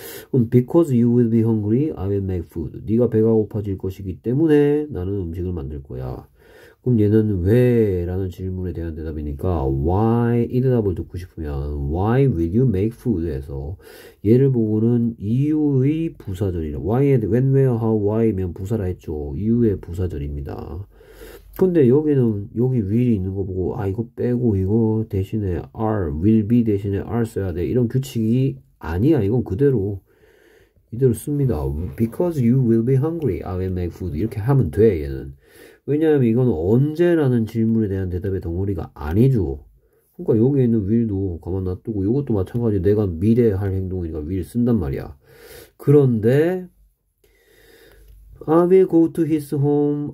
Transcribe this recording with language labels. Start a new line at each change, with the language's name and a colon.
Korean: 그럼
English: because you will be hungry, I will make food.
Korean: 네가 배가 고파질 것이기 때문에 나는 음식을 만들 거야. 그럼 얘는 왜? 라는 질문에 대한 대답이니까 why 이 대답을 듣고 싶으면
English: why will you make food?
Korean: 해서 얘를 보고는 이유의 부사절이라 why에 when, where, how, why면 부사라 했죠. 이유의 부사절입니다. 근데 여기는 여기 will 있는 거 보고 아 이거 빼고 이거 대신에 are, will be 대신에 are 써야 돼. 이런 규칙이 아니야. 이건 그대로 씁니다.
English: Because you will be hungry, I will make food.
Korean: 이렇게 하면 돼 얘는. 왜냐하면 이건 언제라는 질문에 대한 대답의 덩어리가 아니죠. 그러니까 여기에 있는 will도 가만 놔두고 이것도 마찬가지 내가 미래에 할 행동이니까 will 쓴단 말이야. 그런데
English: I will go to his home.